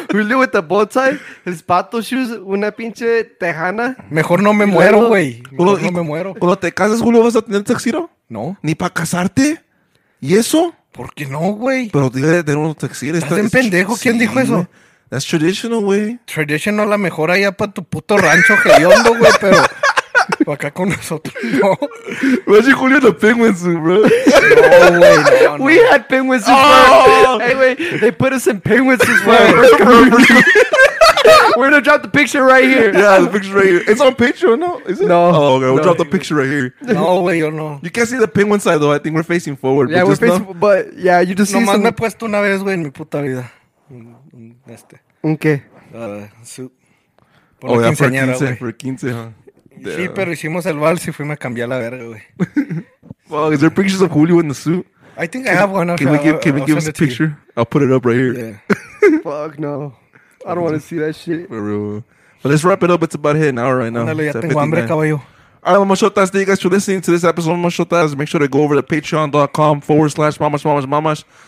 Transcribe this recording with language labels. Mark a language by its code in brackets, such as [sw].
[en] Julio with the bow tie, his pato shoes, [es] una pinche tejana. Mejor no me muero, güey. No me muero. ¿Cuando te casas, Julio, vas a tener tuxedo? No. ¿Ni para casarte? ¿Y eso? ¿Por qué no, güey? Pero tiene que tener un tuxedo. ¿Estás en pendejo? ¿Quién dijo eso? [en] That's traditional, güey. [es] Traditional, la mejor allá para tu puto rancho, que hondo, güey, pero Acá con nosotros, no. [en] Imagine Julio in the penguin suit, bro. No, we had penguin suits. Oh. Anyway, they put us in penguin suits. We're going to drop the picture right here. Yeah, the picture right here. It's on Patreon, no? Is it? No. Oh, okay. We'll no. drop the picture right here. [es] No, way, yo no. [en] You can't see the penguin side, though. I think we're facing forward. Yeah, but we're facing... No? But, yeah, you just no see some... [es] Nomás me he puesto una vez, güey, en mi puta vida. Este. ¿Un qué? [en] Suit. Por oh, yeah, for 15, [es] wey. [en] For 15, huh? [es] Sí, yeah. Pero hicimos el vals y fuimos a cambiar la verga, güey. [en] Well, is there pictures of Julio in the suit? I think I have one. Can we give, us a picture? I'll put it up right here. Yeah. Fuck, no. I don't want to see that shit. For real. But let's wrap it up. It's about hitting an hour right now. [es] Andale, ya tengo hambre, caballo. [en] All right, Mamashotas, thank you guys for listening to this episode of Mamashotas. Make sure to go over to patreon.com/mamas.